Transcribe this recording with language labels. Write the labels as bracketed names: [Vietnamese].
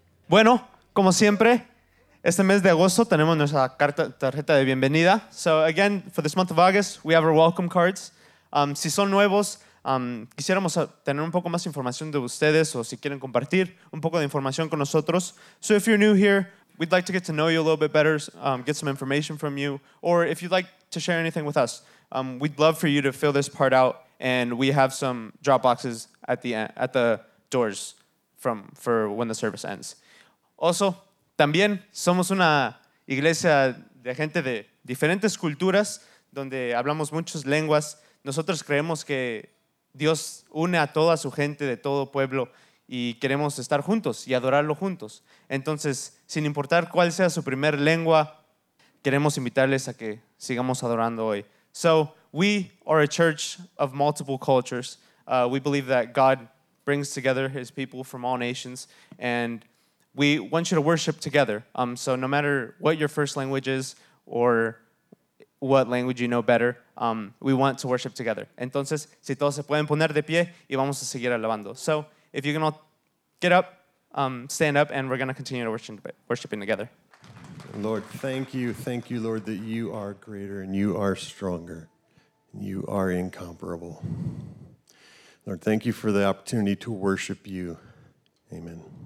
[Spanish] Bueno, como siempre, este mes de agosto tenemos nuestra tarjeta de bienvenida. [English] So again, for this month of August, we have our welcome cards. [Spanish] Si son nuevos, quisiéramos tener un poco más información de ustedes o si quieren compartir un poco de información con nosotros. [English] So if you're new here, we'd like to get to know you a little bit better, get some information from you, or if you'd like to share anything with us, we'd love for you to fill this part out, and we have some drop boxes at the doors for when the service ends. [Spanish] Also, también somos una iglesia de gente de diferentes culturas, donde hablamos muchas lenguas. Nosotros creemos que Dios une a toda su gente de todo pueblo y queremos estar juntos y adorarlo juntos. Entonces, sin importar cuál sea su primer lengua, queremos invitarles a que sigamos adorando hoy. [English] So, we are a church of multiple cultures. We believe that God brings together his people from all nations, and we want you to worship together. So no matter what your first language is or what language you know better, we want to worship together. Entonces, si todos se pueden poner de pie y vamos a seguir alabando. So, if you can all get up, stand up, and we're going to continue worshiping together. Lord, thank you. Thank you, Lord, that you are greater and you are stronger. You are incomparable. Lord, thank you for the opportunity to worship you. Amen.